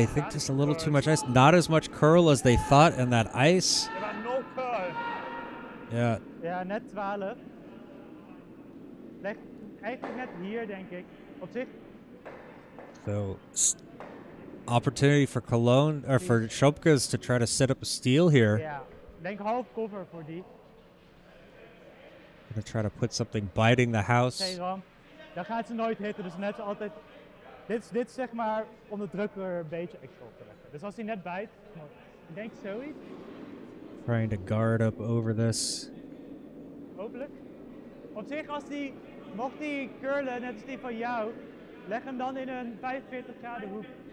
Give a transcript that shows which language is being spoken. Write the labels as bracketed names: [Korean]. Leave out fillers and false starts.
[English] I think just a little too much ice. Not as much curl as they thought in that ice. But no curl. Yeah. [Dutch] Yeah, net 12. Leg, eigenlijk net hier, denk ik. Op zich. [English] So, opportunity for Cologne, or for Schrobkes to try to set up a steal here. [Dutch] Yeah, denk half cover voor die. [English] Gonna try to put something biting the house. [Dutch] Oké, Ram. Dat gaat ze nooit hitten, dus net altijd... Dit zeg maar om de druk er een beetje extra op te leggen. Dus als hij net bijt, ik denk zoiets. [English] Trying to guard up over this. [Dutch] Hopelijk. Op zich, als die, mocht die curlen, net als die van jou, leg hem dan in een 45 graden hoek.